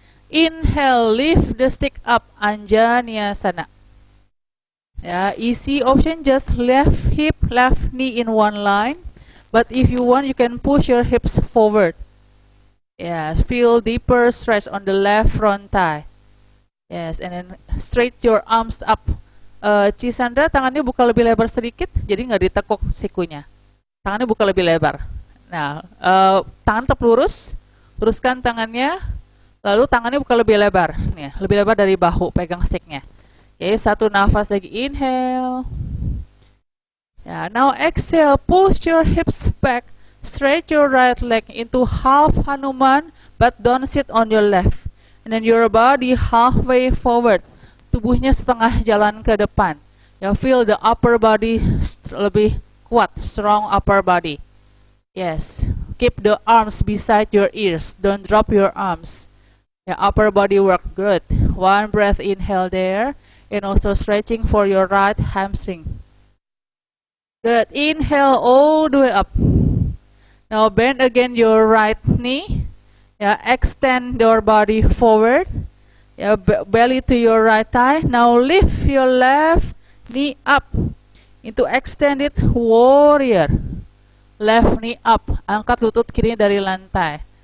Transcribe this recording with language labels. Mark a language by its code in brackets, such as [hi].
[en] Inhale, lift the stick up, Anjaneyasana. Yeah, easy option, just left hip, left knee in one line. But if you want, you can push your hips forward. Yeah, feel deeper stretch on the left front thigh. Yes, and then straight your arms up. [id] Chisandra, tangannya buka lebih lebar sedikit, jadi nggak ditekuk sikunya. Tangannya buka lebih lebar. Nah, tangan tetap lurus, luruskan tangannya, lalu tangannya buka lebih lebar, nih, lebih lebar dari bahu, pegang sticknya. Oke, satu nafas lagi, inhale. [en] Yeah, now exhale, push your hips back, stretch your right leg into half Hanuman, but don't sit on your left. And then your body halfway forward, [id] tubuhnya setengah jalan ke depan. [en] You feel the upper body [id] lebih kuat, [en] strong upper body. Yes, keep the arms beside your ears. Don't drop your arms. Yeah, upper body work, good. One breath, inhale there. And also stretching for your right hamstring. Good, inhale all the way up. Now bend again your right knee. Yeah, extend your body forward. Yeah, belly to your right thigh. Now lift your left knee up into extended warrior. Left knee up, [id] angkat lutut kiri dari lantai.